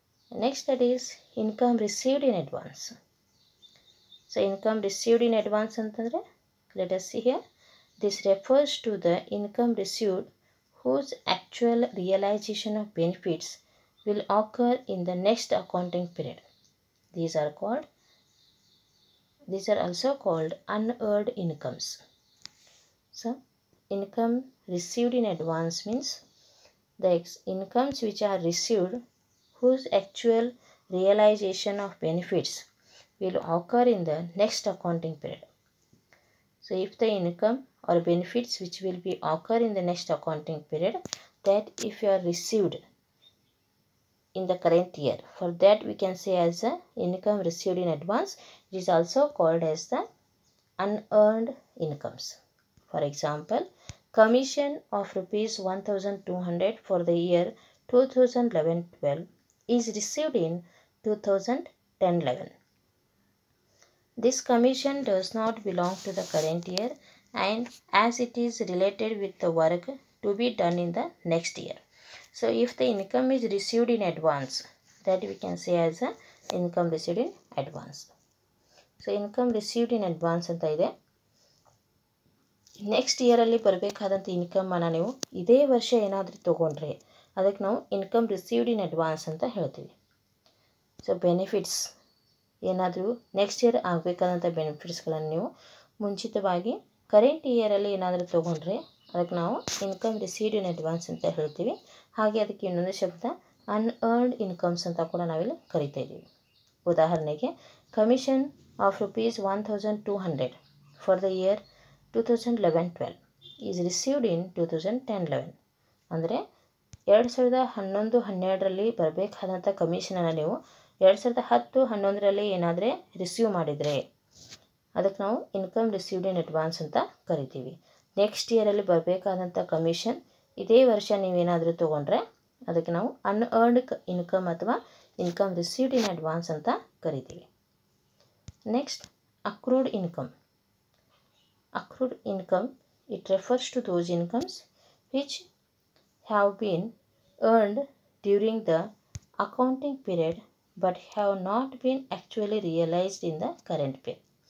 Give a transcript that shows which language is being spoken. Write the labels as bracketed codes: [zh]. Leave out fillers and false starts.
[en] Next that is income received in advance. So income received in advance [kn] ಅಂತಂದರೆ [en] Let us see here, this refers to the income received whose actual realization of benefits will occur in the next accounting period. These are also called unearned incomes. So, income received in advance means the incomes which are received whose actual realization of benefits will occur in the next accounting period. So, if the income or benefits which will be occur in the next accounting period, that if you are received in the current year, for that we can say as the income received in advance, it is also called as the unearned incomes. For example, commission of ₹1,200 for the year 2011-12 is received in 2010-11. This commission does not belong to the current year and as it is related with the work to be done in the next year. So if the income is received in advance, that we can say as a income received in advance. So income received in advance [kn] anta ide. Next ಇಯರಲ್ಲಿ ಬರಬೇಕಾದಂಥ ಇನ್ಕಮನ್ನು ನೀವು ಇದೇ ವರ್ಷ ಏನಾದರೂ ತೊಗೊಂಡ್ರೆ ಅದಕ್ಕೆ ನಾವು income received in advance ಅಂತ ಹೇಳ್ತೀವಿ. So benefits, ಏನಾದರೂ ನೆಕ್ಸ್ಟ್ ಇಯರ್ ಆಗಬೇಕಾದಂಥ ಬೆನಿಫಿಟ್ಸ್ಗಳನ್ನು ನೀವು ಮುಂಚಿತವಾಗಿ ಕರೆಂಟ್ ಇಯರಲ್ಲಿ ಏನಾದರೂ ತೊಗೊಂಡ್ರೆ ಅದಕ್ಕೆ ನಾವು ಇನ್ಕಮ್ ರಿಸೀವ್ಡ್ ಇನ್ ಅಡ್ವಾನ್ಸ್ ಅಂತ ಹೇಳ್ತೀವಿ. ಹಾಗೆ ಅದಕ್ಕೆ ಇನ್ನೊಂದು ಶಬ್ದ ಅನ್ಅರ್ನ್ಡ್ ಇನ್ಕಮ್ಸ್ ಅಂತ ಕೂಡ ನಾವಿಲ್ಲಿ ಕರಿತಾ ಇದ್ದೀವಿ. ಉದಾಹರಣೆಗೆ [en] Commission of ₹1,200 for the year 2011-12 is received in 2010-11. [kn] ಅಂದರೆ 2011-12 ಬರಬೇಕಾದಂಥ ಕಮಿಷನನ್ನು ನೀವು 2010-11 ಏನಾದರೂ ರಿಸೀವ್ ಮಾಡಿದರೆ ಅದಕ್ಕೆ ನಾವು ಇನ್ಕಮ್ ರಿಸೀವ್ಡ್ ಇನ್ ಅಡ್ವಾನ್ಸ್ ಅಂತ ಕರಿತೀವಿ. ನೆಕ್ಸ್ಟ್ ಇಯರಲ್ಲಿ ಬರಬೇಕಾದಂಥ ಕಮಿಷನ್ ಇದೇ ವರ್ಷ ನೀವೇನಾದರೂ ತೊಗೊಂಡ್ರೆ ಅದಕ್ಕೆ ನಾವು ಅನ್ಅರ್ನ್ಡ್ ಇನ್ಕಮ್ ಅಥವಾ ಇನ್ಕಮ್ ರಿಸೀವ್ಡ್ ಇನ್ ಅಡ್ವಾನ್ಸ್ ಅಂತ ಕರಿತೀವಿ. [en] Next accrued income. Accrued income, it refers to those incomes which have been earned during the accounting period but have not been actually realized in the current period.